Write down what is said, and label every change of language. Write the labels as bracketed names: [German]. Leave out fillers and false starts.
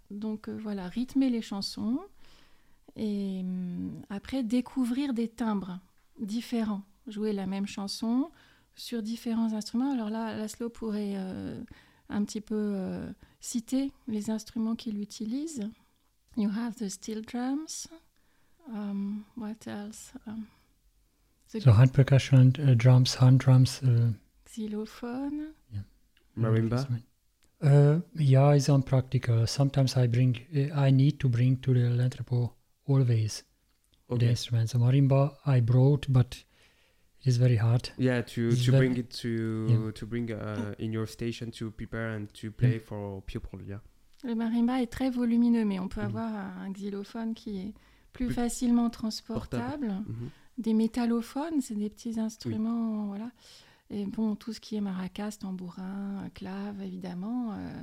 [French] Donc, voilà, rythmer les chansons. Et après, découvrir des timbres différents, jouer la même chanson sur différents instruments. Alors là, l'ASLO pourrait un petit peu citer les instruments qu'il utilise. [English] You have the steel drums. What else? The hand percussion drums, hand drums. Xylophone. Yeah. Marimba. Yeah, it's unpractical. Sometimes I need to bring to the l'entrepôt always okay. the instruments. A marimba I brought, but it's very hard. Yeah, to bring it in your station to prepare and to play for people. Yeah. [French] Le marimba est très volumineux, mais on peut avoir un xylophone qui est plus facilement transportable. Des métallophones, c'est des petits instruments, voilà. Et bon, tout ce qui est maracas, tambourin, clave, évidemment.